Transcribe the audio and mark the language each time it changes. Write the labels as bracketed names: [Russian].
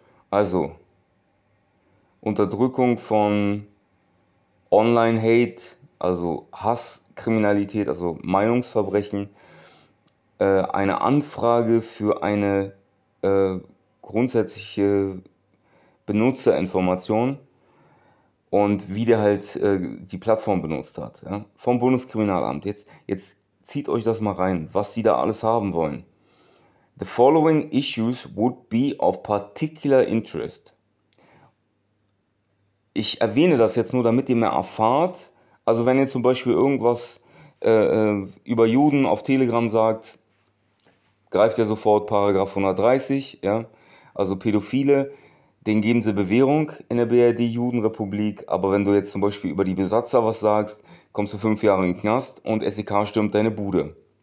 [German] Also, Unterdrückung von Online-Hate, also Hasskriminalität, also Meinungsverbrechen, eine Anfrage für eine grundsätzliche Benutzerinformation. Und wie der halt die Plattform benutzt hat. Ja? Vom Bundeskriminalamt. Jetzt zieht euch das mal rein, was sie da alles haben wollen. [English] The following issues would be of particular interest. [German] Ich erwähne das jetzt nur, damit ihr mehr erfahrt. Also wenn ihr zum Beispiel irgendwas über Juden auf Telegram sagt, greift ihr sofort Paragraph 130. Ja? Also Pädophile. Den geben sie Bewährung in der BRD-Judenrepublik, aber wenn du jetzt zum Beispiel über die Besatzer was sagst, kommst du 5 Jahre in den Knast und SEK stürmt deine Bude.